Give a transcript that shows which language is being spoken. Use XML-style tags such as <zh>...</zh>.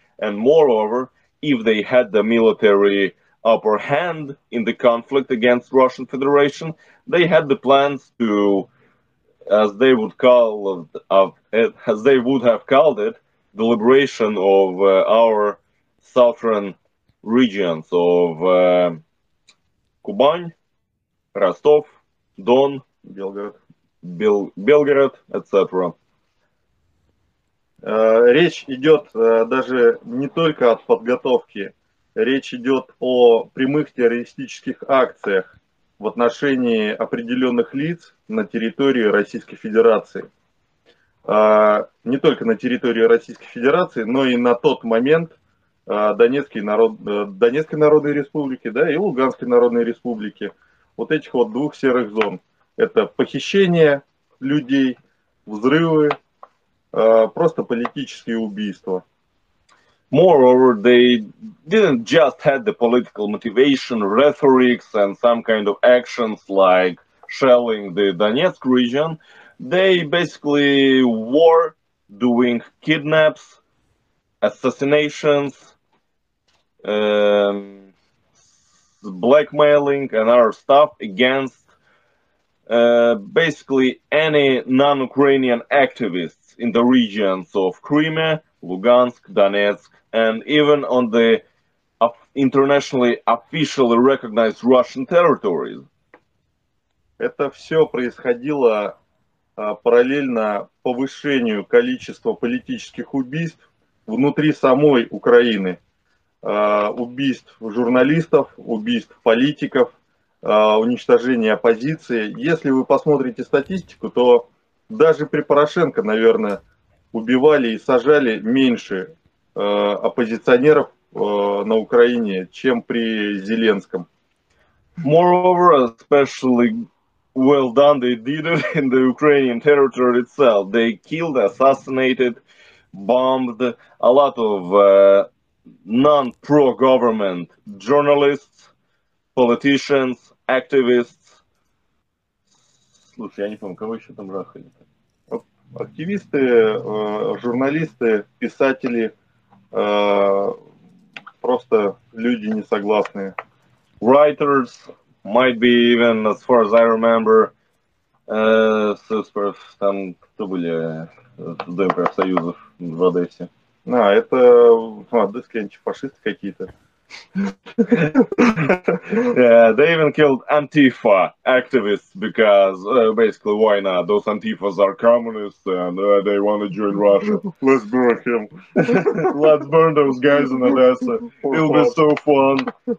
<en>And moreover, if they had the military upper hand in the conflict against Russian Federation, they had the plans to, as they would call it, as they would have called it, the liberation of our southern regions of Kuban, Rostov, Don,</en> <ru>Белгород,</ru> <en>etc.</en> <ru>Речь идет даже не только от подготовки, речь идет о прямых террористических акциях в отношении определенных лиц на территории Российской Федерации. Не только на территории Российской Федерации, но и на тот момент Донецкой Народной Республики, да, и Луганской Народной Республики, вот этих вот двух серых зон. Это похищение людей, взрывы, просто политические убийства.</ru> <en>Moreover, they didn't just have the political motivation, rhetorics and some kind of actions like shelling the Donetsk region. They basically were doing kidnaps, assassinations, blackmailing and other stuff against basically any non-Ukrainian activists in the regions of Crimea, Lugansk, Donetsk, and even on the internationally officially recognized Russian territories.</en> <ru>Это все происходило параллельно повышению количества политических убийств внутри самой Украины. Убийств журналистов, убийств политиков, уничтожение оппозиции. Если вы посмотрите статистику, то даже при Порошенко, наверное, убивали и сажали меньше оппозиционеров на Украине, чем при Зеленском.</ru> <en>Moreover, especially well done they did it in the Ukrainian territory itself. They killed, assassinated, bombed a lot of non-pro-government journalists, politicians, activists.</en> <ru>Слушай, я не помню, кого еще там рахали. Активисты, журналисты, писатели, просто люди несогласные.</ru> <en>Writers, might be even, as far as I remember,</en> <ru>там кто были в Доме профсоюзов в Одессе? А, это одесские антифашисты какие-то.</ru> <en>Yeah, they even killed Antifa activists because basically why not? Those Antifas are communists and they want to join Russia. Let's burn him. Let's burn those guys in Odessa. It'll be so fun.</en>